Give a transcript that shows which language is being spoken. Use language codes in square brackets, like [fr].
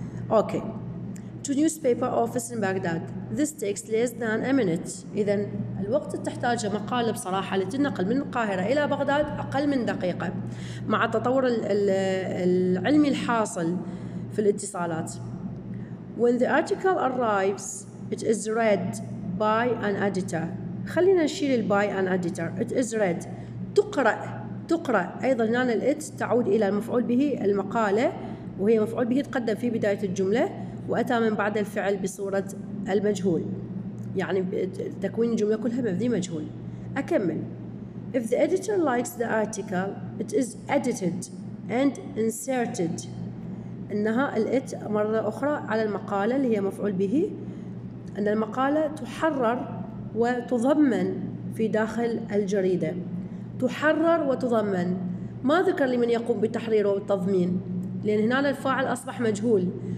[en] Okay. To newspaper office in Baghdad. This takes less than a minute. [ar] إذن الوقت اللي تحتاجه مقالة بصراحة لتنقل من القاهرة إلى بغداد أقل من دقيقة، مع التطور العلمي الحاصل في الاتصالات. [en] When the article arrives, it is read by an editor. [ar] خلينا نشيل ال [en] by an editor. It is read. [ar] تقرأ. تقرأ. أيضا هنا الات تعود إلى المفعول به المقالة، وهي مفعول به تقدم في بداية الجملة، وأتى من بعد الفعل بصورة المجهول، يعني تكوين الجملة كلها مبني مجهول. أكمل. [en] If the editor likes the article, it is edited and inserted. [ar] إنها الات مرة أخرى على المقالة اللي هي مفعول به، أن المقالة تحرر وتضمن في داخل الجريدة. تحرر وتضمن، ما ذكر لمن يقوم بتحريره والتضمين، لأن هنا الفاعل أصبح مجهول.